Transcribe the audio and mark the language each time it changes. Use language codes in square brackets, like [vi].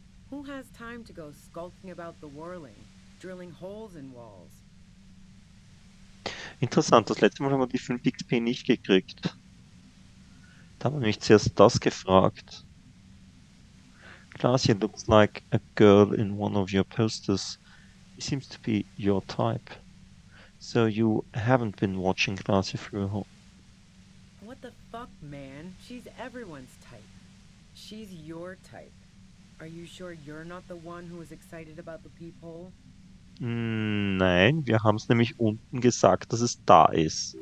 [en] Who has time to go skulking about the whirling, drilling holes in walls? [de] Interessant, das letzte Mal haben wir die 5 XP nicht gekriegt. Da haben wir nämlich zuerst das gefragt. [en] Classia looks like a girl in one of your posters. It seems to be your type. So you haven't been watching Classia through her. What the fuck, man? She's everyone's type. She's your type. Are you sure you're not the one who is excited about the peephole? [de] Nein, wir haben es nämlich unten gesagt, dass es da ist.